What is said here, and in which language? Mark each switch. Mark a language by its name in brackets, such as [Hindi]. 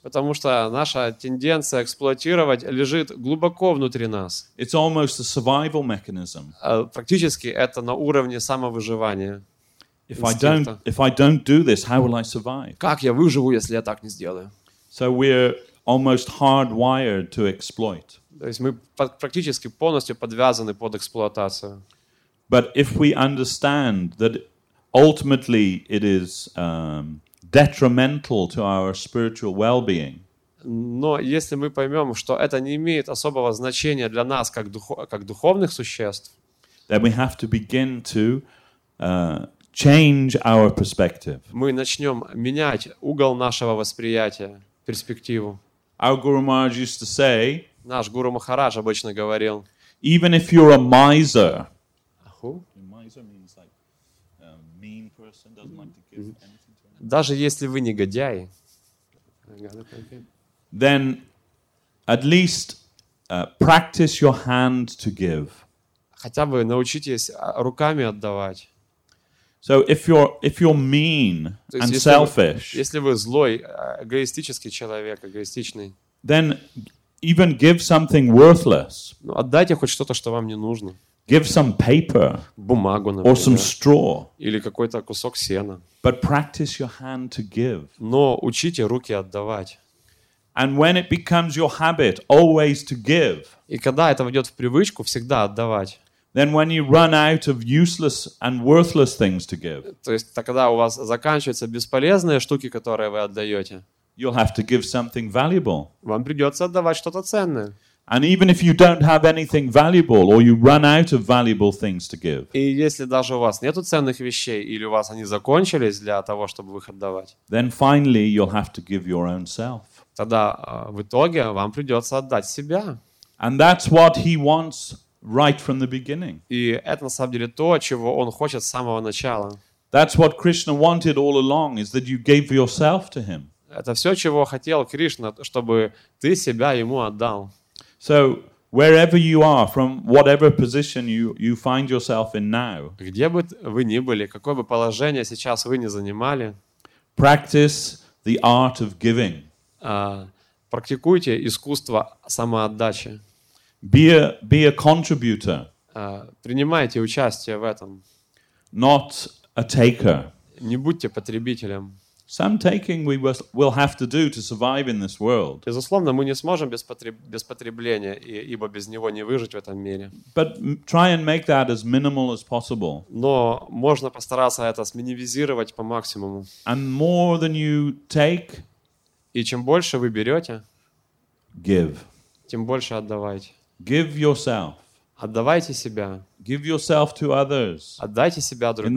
[Russian] Потому что наша тенденция эксплуатировать лежит глубоко внутри нас. [English] It's almost a survival mechanism. [Russian] Фактически это на уровне самовыживания. [English] If I don't do this, how will I survive? [Russian] Как я выживу, если я так не сделаю? [English] So we're almost hardwired to exploit. [Russian] То есть мы практически полностью подвязаны под эксплуатацию. [English] But if we understand that ultimately it is detrimental to our spiritual well-being. [Russian] Но если мы поймем, что это не имеет особого значения для нас как духовных существ, [English] then we have to begin to change our perspective. [Russian] Мы начнем менять угол нашего восприятия, перспективу. [English] Our Guru Maharaj used to say. [Russian] Наш Гуру Махарадж обычно говорил. [English] Even if you're a miser. Who? Miser means like mean person, doesn't like to give anything to anyone. [Russian] Даже если вы негодяй, [English] then at least practice your hand to give. [Russian] Хотя бы научитесь руками отдавать. [English] So if you're mean and selfish. [Russian] Если вы злой, эгоистический человек, эгоистичный. [English] Then even give something worthless. [Russian] Ну, отдайте хоть что-то, что вам не нужно. [English] Give some paper. [Russian] Бумагу, например. [English] Or some straw. [Russian] Или какой-то кусок сена. [English] But practice your hand to give. [Russian] Но учите руки отдавать. [English] And when it becomes your habit always to give. [Russian] И когда это войдет в привычку всегда отдавать. [English] Then when you run out of useless and worthless things to give. [Russian] То есть тогда у вас заканчиваются бесполезные штуки, которые вы отдаете. [English] You'll have to give something valuable. [Russian] Вам придется отдавать что-то ценное. [English] And even if you don't have anything valuable, or you run out of valuable things to give. [Russian] И если даже у вас нету ценных вещей или у вас они закончились для того, чтобы их отдавать. [English] Then finally, you'll have to give your own self. [Russian] Тогда в итоге вам придется отдать себя. [English] And that's what he wants right from the beginning. [Russian] И это на самом деле то, чего он хочет с самого начала. [English] That's what Krishna wanted all along, is that you gave yourself to him. [Russian] Это все, чего хотел Кришна, чтобы ты себя ему отдал. [English] So, wherever you are, from whatever position you find yourself in now, [Russian] где бы вы ни были, какое бы положение сейчас вы ни занимали, [English] practice the art of giving. [Russian] Практикуйте искусство самоотдачи. [English] Be a contributor. [Russian] Принимайте участие в этом. [English] Not a taker. [Russian] Не будьте потребителем. [English] Some taking we will have to do to survive in this world. [Russian] Безусловно, мы не сможем без потребления, ибо без него не выжить в этом мире. [English] But try and make that as minimal as possible. [Russian] Но можно постараться это сминимизировать по максимуму. [English] And more than you take, [Russian] и чем больше вы берете, [English] give. [Russian] Тем больше отдавайте. [English] Give yourself. [Russian] Отдавайте себя. [English] Give yourself to others. [Russian] Отдайте себя другим.